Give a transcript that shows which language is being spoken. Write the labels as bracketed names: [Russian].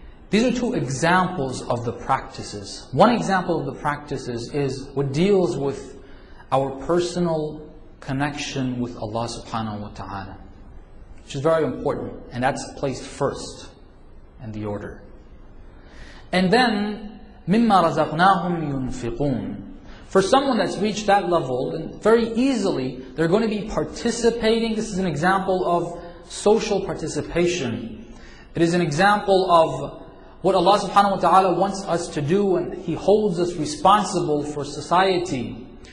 [English] These are two examples of the practices. One example of the practices is what deals with our personal connection with Allah subhanahu wa ta'ala, which is very important, and that's placed first in the order. And then, [Arabic] مِمَّا رَزَقْنَاهُمْ يُنْفِقُونَ. [English] For someone that's reached that level, then very easily, they're going to be participating. This is an example of social participation. It is an example of what Allah subhanahu wa ta'ala wants us to do, and He holds us responsible for society.